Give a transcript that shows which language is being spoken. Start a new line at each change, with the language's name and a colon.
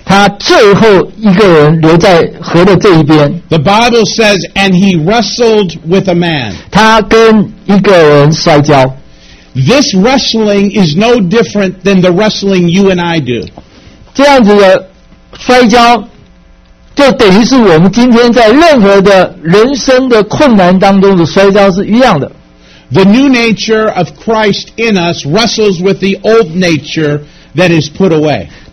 Chinese: 他最后一个人留在河的这一边。
English: The Bible says, and he wrestled with a man.
Chinese: 他跟一个人摔跤。
English: This wrestling is no different than the wrestling you and I do.
Chinese: 这样子的摔跤， 就等于是我们今天在任何的人生的困难当中的摔跤是一样的。
English: The new nature of Christ in us wrestles with the old nature that is put away.